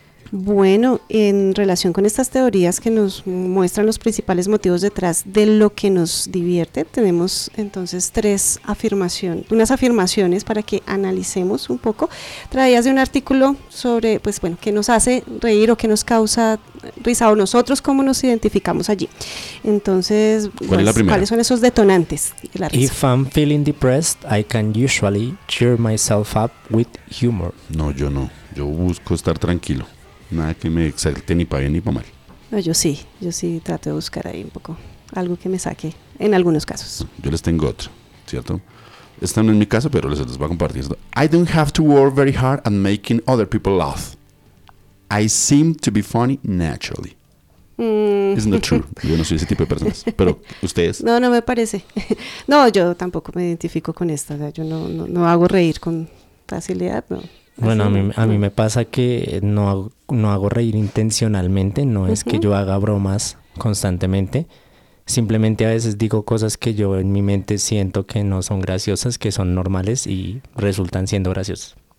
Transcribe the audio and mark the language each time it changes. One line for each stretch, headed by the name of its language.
Spanish: Bueno, en relación con estas teorías que nos muestran los principales motivos detrás de lo que nos divierte, tenemos entonces unas afirmaciones para que analicemos un poco, traídas de un artículo sobre, pues bueno, qué nos hace reír o qué nos causa risa o nosotros cómo nos identificamos allí. Entonces, ¿cuáles son esos detonantes de la risa?
English: If I'm feeling depressed, I can usually cheer myself up with humor.
Spanish: No, yo no. Yo busco estar tranquilo. Nada que me exalte ni para bien ni para mal. No, yo sí trato de buscar ahí un poco algo que me saque, en algunos casos. Yo les tengo otro, ¿cierto? Esta no es mi caso, pero les voy a compartir esto.
English: I don't have to work very hard at making other people laugh. I seem to be funny naturally. Isn't that true?
Spanish: Yo no soy ese tipo de personas, pero ustedes. No me parece. No, yo tampoco me identifico con esta. O sea, yo no hago reír con facilidad, no. Bueno, a mí me pasa que no hago reír intencionalmente, no es que yo haga bromas constantemente, simplemente a veces digo cosas que yo en mi mente siento que no son graciosas, que son normales y resultan siendo graciosas.